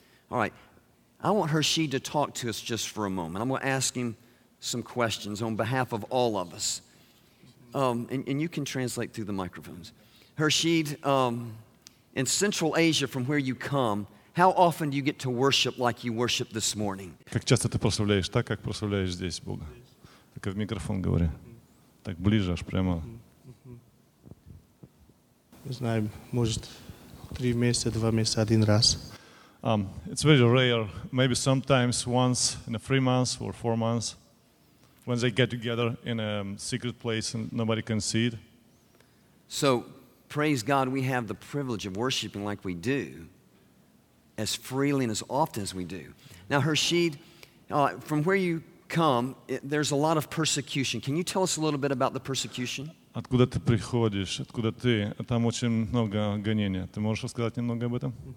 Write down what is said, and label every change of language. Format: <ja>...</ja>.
<en>All right. I want Hershid to talk to us just for a moment. I'm going to ask him some questions on behalf of all of us. And you can translate through the microphones. Hershid, in Central Asia, from where you come, how often do you get to worship like you worship this morning?</en> <ru>Как часто ты прославляешь так, как прославляешь здесь Бога? Так в микрофон говори. Так ближе аж прямо. Не знаю, может, 3 месяца, 2 месяца, 1 раз.</ru> <en>It's very rare, maybe sometimes once in a 3 months or 4 months, when they get together in a secret place and nobody can see it. So, praise God, we have the privilege of worshiping like we do, as freely and as often as we do. Now, Hershid, from where you come, there's a lot of persecution. Can you tell us a little bit about the persecution?</en> <ru>Откуда ты приходишь? Откуда ты? Там очень много гонения. Ты можешь рассказать немного об этом?</ru>